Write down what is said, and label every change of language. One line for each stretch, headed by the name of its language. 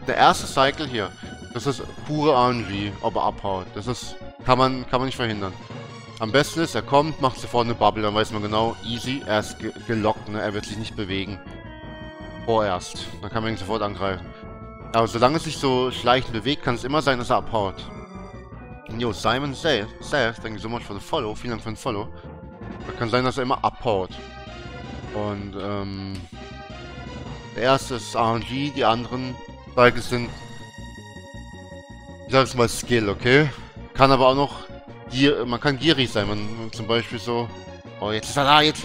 German: Der erste Cycle hier, das ist pure RNG, ob er abhaut. Das ist, kann man nicht verhindern. Am besten ist, er kommt, macht sofort eine Bubble, dann weiß man genau, easy, er ist gelockt, ne? Er wird sich nicht bewegen. Vorerst. Dann kann man ihn sofort angreifen. Aber solange es sich so schleichend bewegt, kann es immer sein, dass er abhaut.
English: Yo, Simon Seth, thank you so much for the follow.
German: Vielen Dank für den Follow. Es kann sein, dass er immer abhaut. Und, der erste ist RNG, die anderen Cycles sind, ich sag's mal, Skill, okay? Kann aber auch noch. Man kann gierig sein, man zum Beispiel so. Oh, jetzt ist er da, jetzt.